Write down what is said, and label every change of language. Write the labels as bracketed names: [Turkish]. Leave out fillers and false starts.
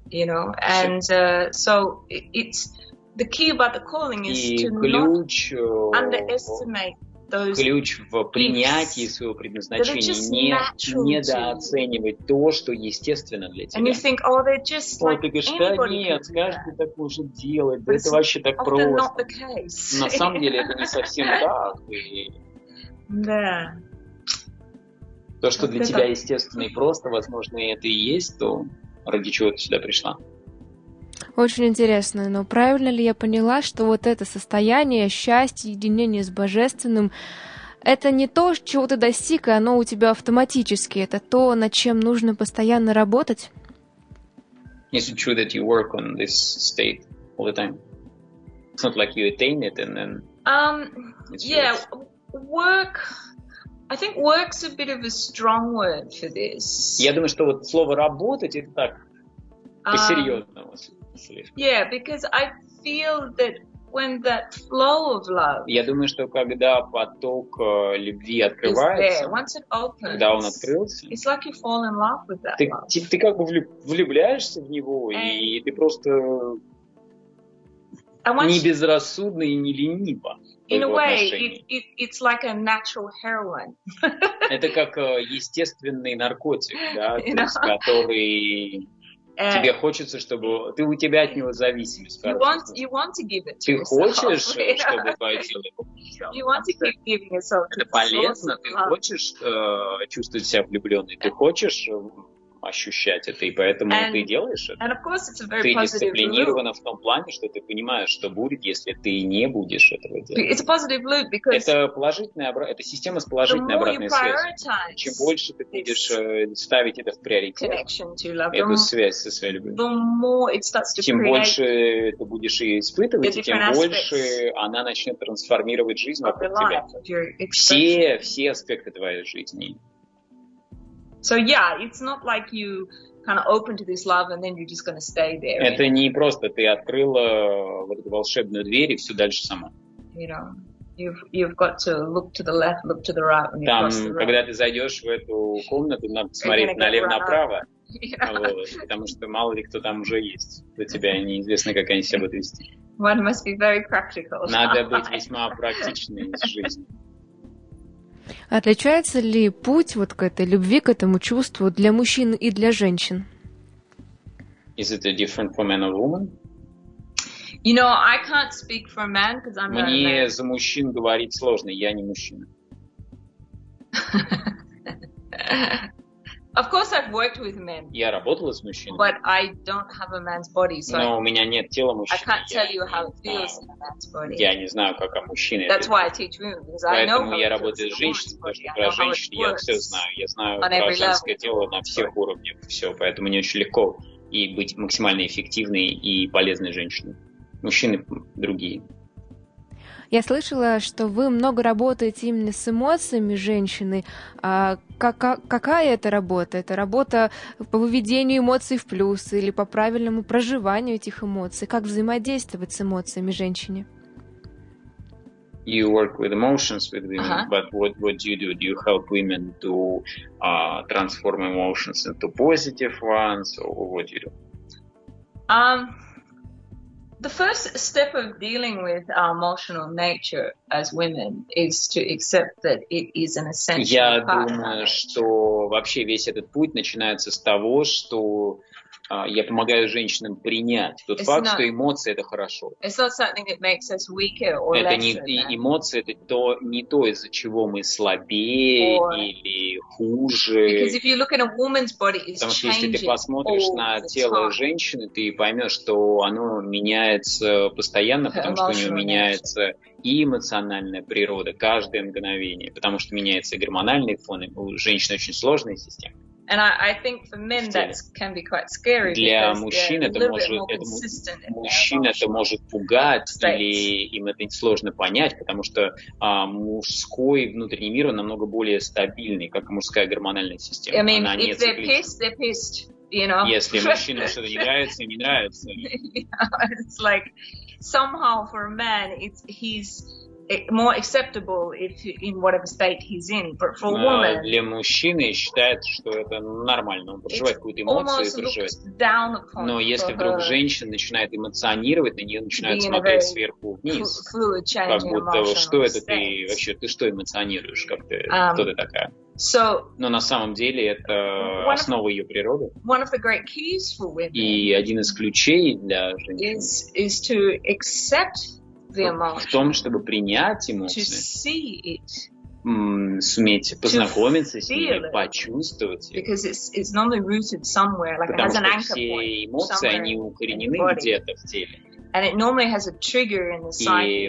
[English] You know, and so it's the key about the calling is to not underestimate. [Russian] Ключ в принятии своего предназначения недооценивать то, что естественно для тебя. [English] And you think, oh, they're just like anybody. [Russian] Ты говоришь, да нет, каждый так может делать, да это вообще так просто. [English] Not the case. [Russian] На самом деле это не совсем так. Да. То, что для тебя естественно и просто, возможно, это и есть то, ради чего ты сюда пришла. Очень интересно, но правильно ли я поняла, что вот это состояние счастья, единения с Божественным, это не то, чего ты достиг, и оно у тебя автоматически, это то, над чем нужно постоянно работать? [English] Is it true that you work on this state all the time? It's not like you attain it and then... Work... I think work's a bit of a strong word for this. Я думаю, что вот слово «работать» — это так, по-серьезному. Yeah, because I feel that when that flow of love. [Russian] Я думаю, что когда поток любви открывается, [English] once it opens, [Russian] когда он открылся, [English] it's like you fall in love with that. [Russian] Ты как бы влюбляешься в него, и ты просто не безрассудно и не лениво. In a way, it's like a natural heroin. Это как естественный наркотик, да, который. Тебе хочется, чтобы... У тебя от него зависимость. Ты хочешь, чтобы твое тело... Это полезно. Ты хочешь чувствовать себя влюбленной. Ты хочешь ощущать это, и поэтому ты делаешь это. [English] And of course it's a very [Russian] ты дисциплинирована в том плане, что ты понимаешь, что будет, если ты не будешь этого делать. [English] It's a positive loop because [Russian] это система с положительной обратной связью. Чем больше ты будешь ставить это в приоритет, эту связь со своей любовью, тем больше ты будешь ее испытывать, и тем больше она начнет трансформировать жизнь вокруг тебя. Все аспекты твоей жизни. [English] So yeah, it's not like you kind of open to this love and then you're just going to stay there. [Russian] Это не просто ты открыла вот эту волшебную дверь и все дальше сама. [English] You know, you've got to look to the left, look to the right when you cross the room. [Russian] Когда ты зайдешь в эту комнату, надо смотреть налево, направо, потому что мало ли кто там уже есть. Для тебя неизвестно, как они себя будут вести. [English] One must be very practical. [Russian] Надо быть весьма практичной в жизни. Отличается ли путь вот к этой любви, к этому чувству для мужчин и для женщин? [English] Is it different for men or women? You know, I can't speak for men because I'm not a man. [Russian] Мне за мужчин говорить сложно, я не мужчина. [English] Of course, I've worked with men. [Russian] Я работала с мужчинами. [English] But I don't have a man's body, so. [Russian] Но у меня нет тела мужчины. [English] I can't tell you how it feels in a man's body. [Russian] Я не знаю, как о мужчине. [English] That's why I teach women, because I know how it feels. [Russian] Поэтому я работаю с женщинами, потому что про женщин я все знаю. Я знаю про женское тело на всех уровнях, все. Поэтому мне очень легко и быть максимально эффективной и полезной женщиной. Мужчины другие. Я слышала, что вы много работаете именно с эмоциями женщины. А какая это работа? Это работа по выведению эмоций в плюс или по правильному проживанию этих эмоций? Как взаимодействовать с эмоциями женщины? [English] You work with emotions with women, uh-huh. But what do? You help women to transform emotions into positive ones, or what do you do? The first step of dealing with our emotional nature as women is to accept that it is an essential part [Russian] Я думаю, что вообще весь этот путь начинается с того, что я помогаю женщинам принять тот факт, что эмоции — это хорошо. [English] It's not something that makes us weaker or lesser than. [Russian] Эмоции — это не то, из-за чего мы слабее или хуже. [English] Because if you look in a woman's body, it's changing all the time. [Russian] Потому что если ты посмотришь на тело женщины, ты поймешь, что оно меняется постоянно, потому что у нее меняется и эмоциональная природа каждое мгновение, потому что меняется гормональный фон, у женщины очень сложная система. [English] And I think for men that can be quite scary. [Russian] Для мужчин это может, мужчин это может пугать, или им это сложно понять, потому что мужской внутренний мир он намного более стабильный, как мужская гормональная система. [English] I mean, [Russian] она [English] if they're pissed, they're pissed. You know. [Russian] Если мужчинам что-то не нравится, им не нравится. [English] Yeah, it's like somehow for a man, it's he's more acceptable if in whatever state he's in, but for a woman. [Russian] Для мужчины считают, что это нормально. Он проживает какую-то эмоцию, проживает. Но если вдруг женщина начинает эмоционировать, на нее начинают смотреть сверху вниз, как будто что это ты вообще, ты что эмоционируешь, как ты, кто ты такая? [English] So, [Russian] но на самом деле это основа ее природы. [English] One of the great keys for women. [Russian] И один из ключей для женщин. [English] Is to accept the emotion. [Russian] В том, чтобы принять эмоции. [English] To see it. [Russian] Суметь познакомиться с ней, почувствовать ее. [English] Because it's normally rooted somewhere, like it has an anchor point. [Russian] Потому что все эмоции они укоренены где-то в теле. [English] And it normally has a trigger in the psyche.